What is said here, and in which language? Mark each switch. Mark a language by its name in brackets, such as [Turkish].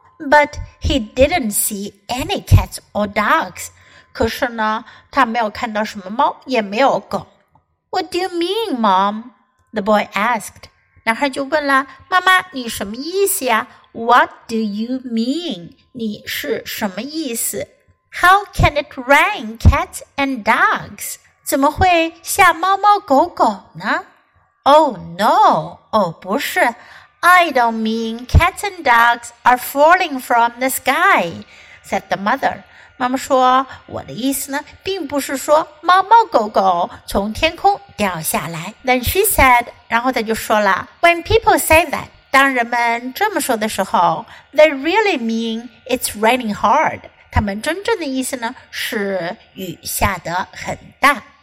[English] But he didn't see any cats or dogs. [Chinese] 可是呢，他没有看到什么猫，也没有狗。 [English] What do you mean, Mom? The boy asked. [Chinese] 男孩就问了，妈妈，你什么意思呀？ [English] What do you mean? [Chinese] 你是什么意思？ [English] How can it rain cats and dogs? [Chinese] 怎么会下猫猫狗狗呢？ [English] Oh, no. [Chinese] 哦，不是。 [English] I don't mean cats and dogs are falling from the sky, said the mother. [Chinese] 妈妈说，我的意思呢，并不是说猫猫狗狗从天空掉下来。 [English] Then she said, [Chinese] 然后她就说了， [English] When people say that, [Chinese] 当人们这么说的时候， [English] they really mean it's raining hard. [Chinese] 他们真正的意思呢，是雨下得很大。